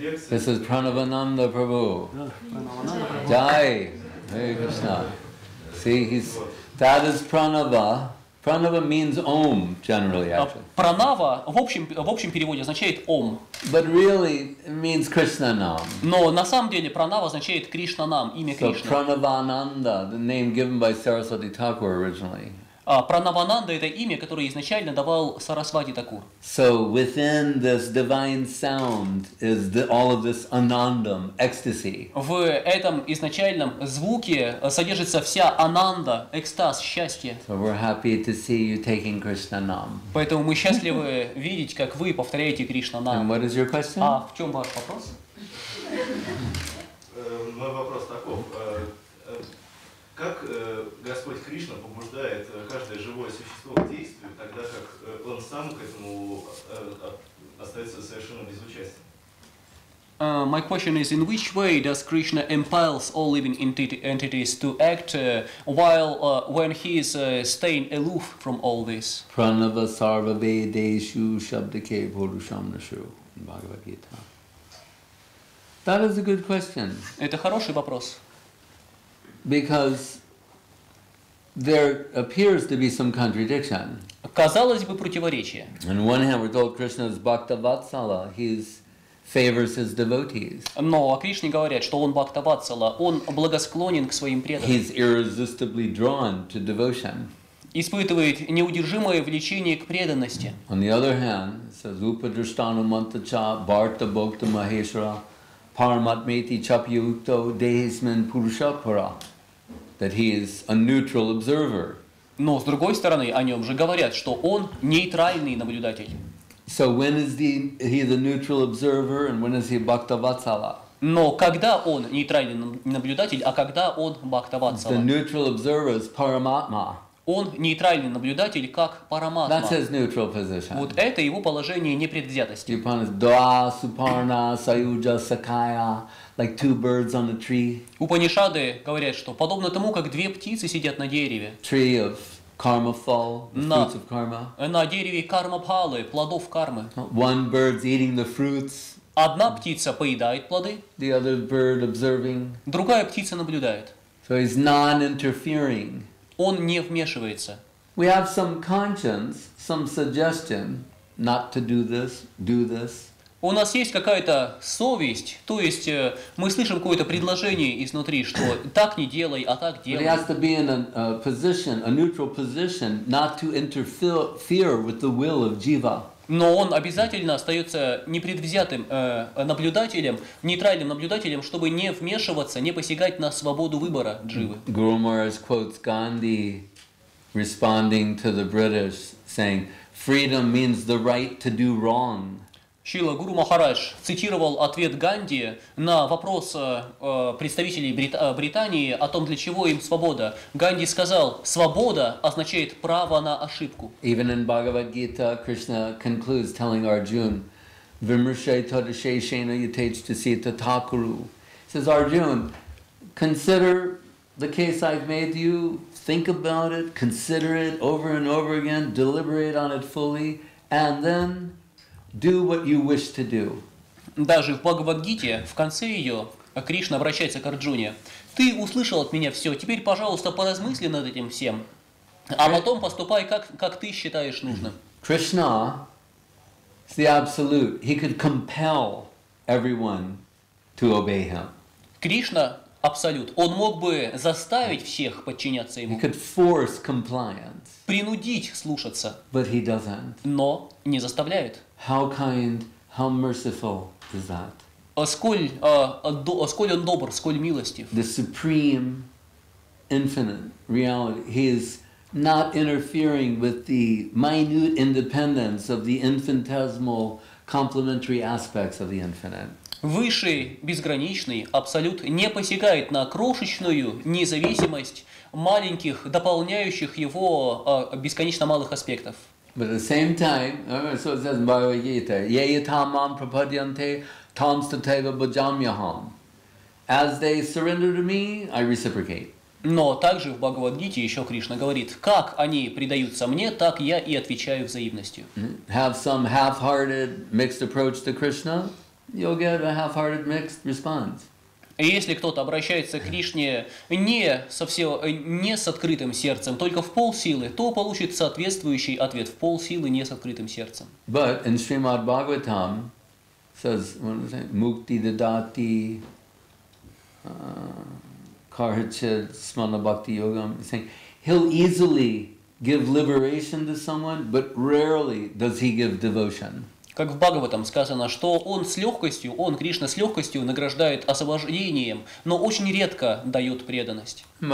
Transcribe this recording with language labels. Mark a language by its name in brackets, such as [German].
[English] This is Pranavananda Prabhu. Jai, Hare Krishna. See, that is Pranava. Pranava means Om, generally, actually. [Russian] Pranava в общем переводе означает Om. [English] But really, it means Krishna Nam. [Russian] Но на самом деле Pranava означает Кришна Нам, имя Кришна. [English] So Pranavananda, the name given by Saraswati Thakur originally. [Russian] Пранавананда — это имя, которое изначально давал Сарасвати Такур. [English] So within this divine sound is all of this anandam, ecstasy. [Russian] В этом изначальном звуке содержится вся ананда, экстаз, счастье. [English] So we're happy to see you taking Krishna Nam. [Russian] Поэтому мы счастливы видеть, как вы повторяете Кришна Нам. [English] And what is your question? [Russian] А в чем ваш вопрос? Мой вопрос такой. Как Господь Кришна побуждает каждое живое существо к действию, тогда как Он сам к этому остается совершенно безучастен? [English] My question is, in which way does Krishna impels all living entities to act when he is staying aloof from all this? [Sanskrit] Pranava sarva vedeshu shabdike purusham nashu Bhagavad Gita. [English] That is a good question. [Russian] Это хороший вопрос. [English] Because there appears to be some contradiction. [Russian] Казалось бы, противоречие. [English] On one hand, we're told Krishna is Bhakta Vatsala, he favors his devotees. [Russian] Но о Кришне говорят, что он Бхакта Ватсала, он благосклонен к своим преданным. [English] He's irresistibly drawn to devotion. [Russian] Испытывает неудержимое влечение к преданности. [English] On the other hand, says [Sanskrit] Upadrishtanu Mantacha, Bharta Bhokta Maheshra, Paramatmeti Chapyukto Dehisman Purushapara. [English] That he is a neutral observer. [Russian] Но с другой стороны, о нем же говорят, что он нейтральный наблюдатель. [English] So when is he the neutral observer and when is he Bhakta Vatsala? [Russian] Но когда он нейтральный наблюдатель, а когда он Бхакта Ватсала? [English] The neutral observer is Paramatma. [Russian] Он нейтральный наблюдатель, как Параматма. [English] That's his neutral position. [Russian] Вот это его положение непредвзятости. [Sanskrit] Dva Suparna Sayuja Sakaya. [English] Like two birds on a tree. [Russian] Упанишады говорят, что подобно тому, как две птицы сидят на дереве. [English] Tree of karma fall, the fruits of karma. [Russian] На дереве кармапалы, плодов кармы. [English] One bird's eating the fruits. [Russian] Одна птица поедает плоды. [English] The other bird observing. [Russian] Другая птица наблюдает. [English] So he's non-interfering. [Russian] Он не вмешивается. [English] We have some conscience, some suggestion not to do this, do this. [Russian] У нас есть какая-то совесть, то есть мы слышим какое-то предложение изнутри, что так не делай, а так делай. [English] But he has to be in a position, a neutral position, not to interfere with the will of jiva. [Russian] Но он обязательно остается непредвзятым наблюдателем, нейтральным наблюдателем, чтобы не вмешиваться, не посягать на свободу выбора дживы. [English] Guru Maharaj quotes Gandhi, responding to the British, saying, "Freedom means the right to do wrong." [Russian] Шрила Гуру Махарадж цитировал ответ Ганди на вопрос представителей Британии о том, для чего им свобода. Ганди сказал, свобода означает право на ошибку. [English] Even in Bhagavad Gita, Krishna concludes telling Arjuna, [Sanskrit] Vimrshay Tadashay Shena Yutech Tasita Thakuru. [English] He says, Arjuna, consider the case I've made you, think about it, consider it over and over again, deliberate on it fully, and then do what you wish to do. [Russian] Даже в Бхагавад-гите, в конце ее, Кришна обращается к Арджуне. Ты услышал от меня все, теперь, пожалуйста, поразмысли над этим всем, а потом поступай, как ты считаешь нужным. [English] Krishna is the absolute. He could compel everyone to obey him. [Russian] Кришна – абсолют. Он мог бы заставить всех подчиняться ему. [English] He could force compliance. [Russian] Принудить слушаться. [English] But he doesn't. [Russian] Но не заставляет. [English] How kind, how merciful is that? [Russian] Сколь он добр, сколь милостив. [English] The supreme, infinite reality. He is not interfering with the minute independence of the infinitesimal complementary aspects of the infinite. [Russian] Высший, безграничный абсолют не посягает на крошечную независимость маленьких, дополняющих его бесконечно малых аспектов. [English] But at the same time, so it says in Bhagavad Gita, [Sanskrit] Yeyitamam prapadyante tamstateva bhajamyaham. [English] As they surrender to me, I reciprocate. [Russian] Но также в Бхагавад-гите еще Кришна говорит, как они предаются мне, так я и отвечаю взаимностью. [English] Have some half-hearted mixed approach to Krishna, you'll get a half-hearted mixed response. [Russian] Если кто-то обращается к Кришне не с открытым сердцем, только в полсилы, то получит соответствующий ответ в полсилы, не с открытым сердцем. [English] But in Srimad Bhagavatam says, what is it? [Sanskrit] Mukti dadati karhachit smana bhakti yogam. [English] He's saying he'll easily give liberation to someone, but rarely does he give devotion. [Russian] Как в Бхагаватам сказано, что Кришна, с легкостью награждает освобождением, но очень редко дает преданность.